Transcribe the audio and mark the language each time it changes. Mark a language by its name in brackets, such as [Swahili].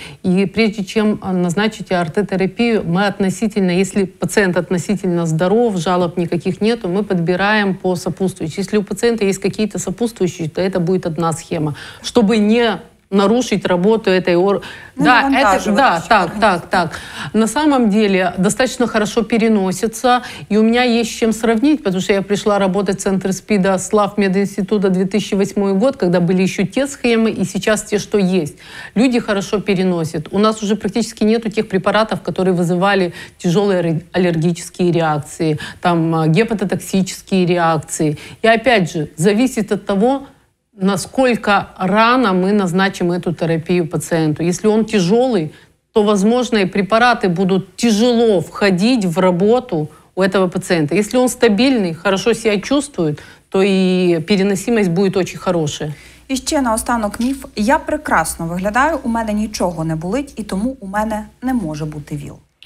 [Ukrainian] І прежде чим назначити арт-терапію, ми відносительно, якщо пацієнт відносительно здоров, жалоб ніяких немає, ми підбираємо по сопутствуючим. Якщо у пацієнта є якісь сопутствуючі, то це буде одна схема, щоб не [Russian] нарушить работу этой да, это же да, так, так, так. На самом деле достаточно хорошо переносится, и у меня есть с чем сравнить, потому что я пришла работать в центр СПИДа Славмединститута 2008 год, когда были еще те схемы, и сейчас те, что есть. Люди хорошо переносят. У нас уже практически нету тех препаратов, которые вызывали тяжелые аллергические реакции, там гепатотоксические реакции. И опять же, зависит от того, насколько рано мы назначим эту терапию пациенту. Если он тяжелый, то, возможно, и препараты будут тяжело входить в работу у этого пациента. Если он стабильный, хорошо себя чувствует, то и переносимость будет очень хорошая. [Ukrainian] І ще наостанок міф. Я прекрасно виглядаю, у мене нічого не болить, і тому у мене не може бути ВІЛ.